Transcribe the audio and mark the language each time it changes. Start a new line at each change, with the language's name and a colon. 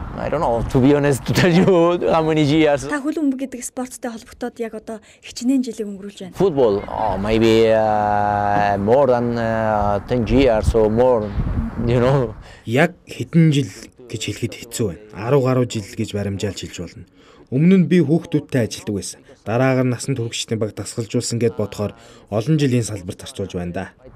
English: In other countries, I don't know, to be honest, to tell you how many years.
Mongolian: Та хөл бөмбөг гэдэг спорттой холбогдоод яг одоо хичнээн жилиг өнгөрүүлж байна?
English: Football, maybe more than 10 years or more, you know.
Mongolian: Яг хэдэн жил гэж хэлэхэд хэцүү байна. 10 гаруй жил гэж баримжаалж хэлж болно. Өмнө нь би хүүхдүүдтэй ажилладаг байсан. Дараагаар насан туршид баг дасгалжуулсан гэд бодохоор олон жилийн салбар зарцуулж байна да.